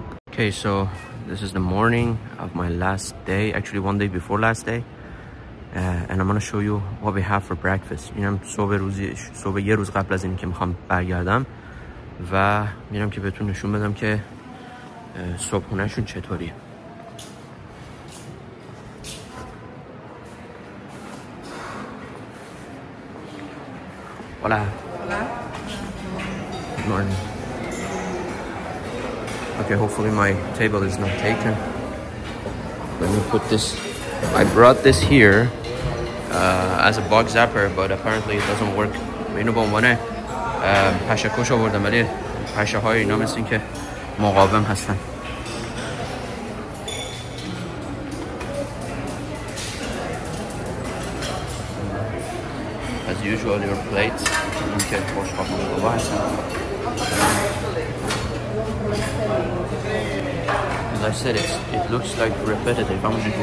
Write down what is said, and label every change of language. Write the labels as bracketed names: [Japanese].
[English] Okay, so this is the morning of my last day, actually one day before last day, and I'm gonna show you what we have for breakfast. [Persian] میرم صبح روزی صبح یه روز قبل از اینکه میخوام برگردم و میرم که بهتون نشون بدم که صبحونهشون چطوریه. [Spanish] Hola. [English] Good morning. Okay, hopefully my table is not taken. Let me put this. I brought this here as a bug zapper, but apparently it doesn't work. [Persian] اینو با عنوان پشه‌کش آوردم ولی پشه‌های اینا مثل این که مقاوم هستن. [English] As usual, your plates. As I said, it looks like repetitive. I'm just looking.